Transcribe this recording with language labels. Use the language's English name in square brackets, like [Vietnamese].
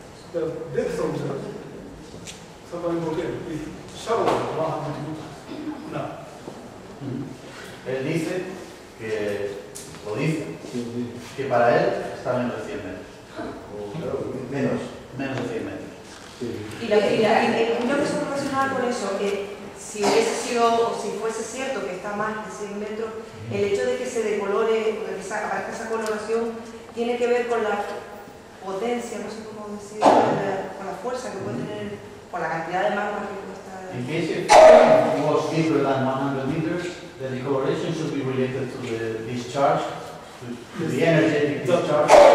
[English] The depth of the submarine volcano is shallower than 100 meters. [Spanish] No. Él dice que, lo dice, que para él está menos de 100 metros. Menos de 100 metros. Sí. Y una cuestión relacionada con eso, que si hubiese sido o si fuese cierto que está más de 100 metros, el hecho de que se decolore, de que aparezca esa coloración, tiene que ver con la potencia, no sé cómo decir, con la fuerza que puede tener, con la cantidad de magma que cuesta. [English] En case it was deeper than 100 meters, the decoloration should be related to the discharge, to the energetic discharge.